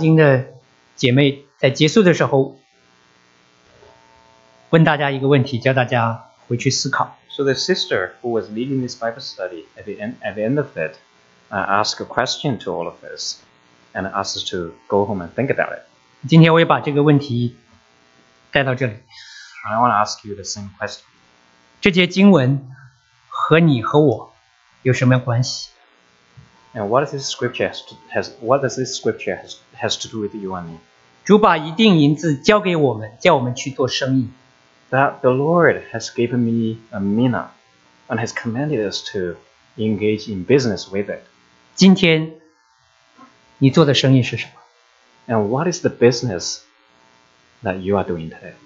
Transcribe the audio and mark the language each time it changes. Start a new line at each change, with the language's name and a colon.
Chinese: 那一天在查经的姐妹在结束的时候, 问大家一个问题, 叫大家回去思考。
English: So the sister who was leading this Bible study at the end of it, asked a question to all of us and asked us to go home and think about it.
Chinese: 今天我也把这个问题带到这里。
English: I want to ask you the same question.
Chinese: 这节经文和你和我有什么关系?
English: And what does this scripture has to do with you and me?
Chinese: 主把一锭银子交给我们，叫我们去做生意。
English: That the Lord has given me a mina and has commanded us to engage in business with it.
Chinese: 今天你做的生意是什么?
English: And what is the business that you are doing today?